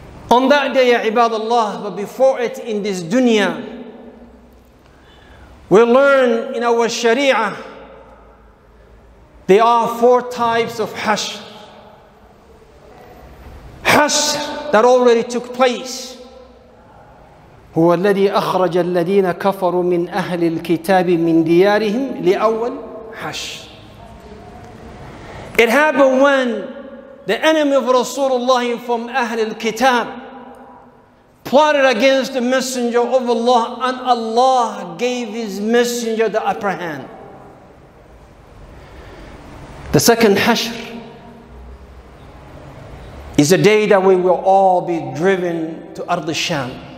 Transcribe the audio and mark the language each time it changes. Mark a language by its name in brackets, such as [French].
[English] On that day, ya ibadallah, but before it in this dunya, we learn in our sharia, there are four types of hashr. Hashr that already took place. [Arabic] هو الذي أخرج الذين كفروا من أهل الكتاب من ديارهم لأول حشر. [English] It happened when the enemy of Rasulullah from [Arabic] أهل الكتاب [English] plotted against the messenger of Allah and Allah gave his messenger the upper hand. The second hashr is the day that we will all be driven to Ard al-Sham.